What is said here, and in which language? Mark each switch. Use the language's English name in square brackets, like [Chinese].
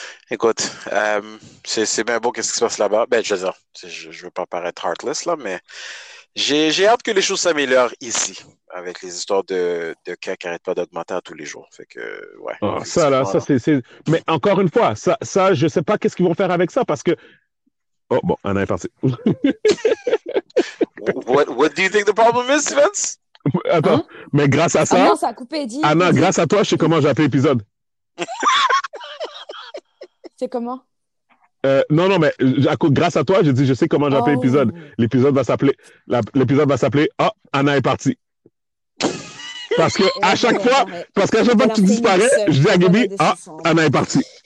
[French] Écoute, c'est bien beau qu'est-ce qui se passe là-bas. Ben, je veux pas paraître heartless, là, mais j'ai hâte que les choses s'améliorent ici. Avec les histoires de cas qui n'arrêtent pas d'augmenter à tous les jours. Fait que, ouais. Ah, ça, là, ça, c'est. Mais encore une fois, ça, je ne sais pas qu'est-ce qu'ils vont faire avec ça parce que. Oh, bon, Anna est partie. [English] what do you think the problem is, Vince? [French] Attends, hein? Mais grâce à ça. Ah non, ça a coupé, dit. Anna, grâce à toi, je sais comment j'ai appelé l'épisode. C'est comment? Non, mais grâce à toi, j'ai dit, je sais comment j'ai appelé l'épisode. L'épisode va s'appeler Oh, Anna est partie. Parce que à chaque fois, parce qu'à chaque fois que tu disparais, je dis à Gaby, Anna est partie.